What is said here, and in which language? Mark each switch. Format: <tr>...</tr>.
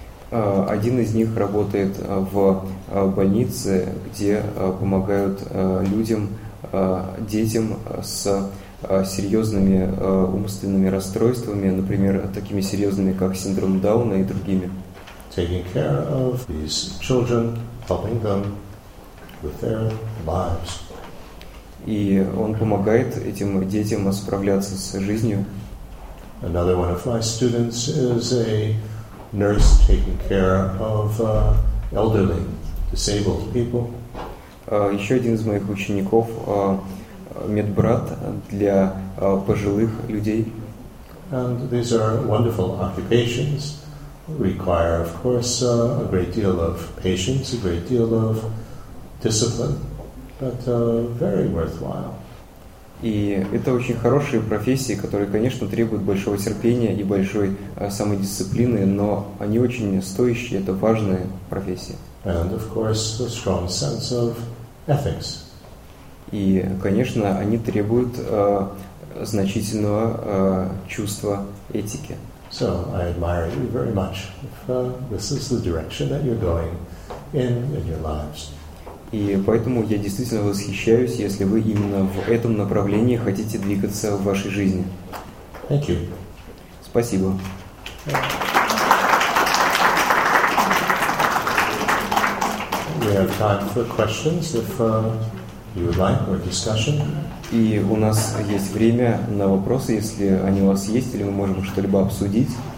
<ru>Один из них работает в больнице, где помогают людям, детям с серьезными умственными расстройствами, например, такими серьезными, как синдром Дауна и другими.</ru> <en>Taking care of these children, helping them with their lives.</en> <ru>И он помогает этим детям справляться с жизнью.</ru> <en>Another one of my students is a nurse taking care of elderly, disabled people.</en> <ru>Еще один из моих учеников медбрат для пожилых людей.</ru> <en>And these are wonderful occupations. Require, of course, a great deal of patience, a great deal of discipline, but very worthwhile.</en> <ru>И это очень хорошие профессии, которые, конечно, требуют большого терпения и большой самодисциплины, но они очень стоящие, это важные профессии.</ru> <en>And of course, a strong sense of ethics.</en> <ru>И, конечно, они требуют значительного чувства этики.</ru> <en>So I admire you very much if this is the direction that you're going in your lives.</en> <ru>И поэтому я действительно восхищаюсь, если вы именно в этом направлении хотите двигаться в вашей жизни.</ru> <en>Thank you.</en> <ru>Спасибо.</ru> <en>We have time for questions, if you would like, or discussion.</en> <ru>И у нас есть время на вопросы, если они у вас есть, или мы можем что-либо обсудить.</ru>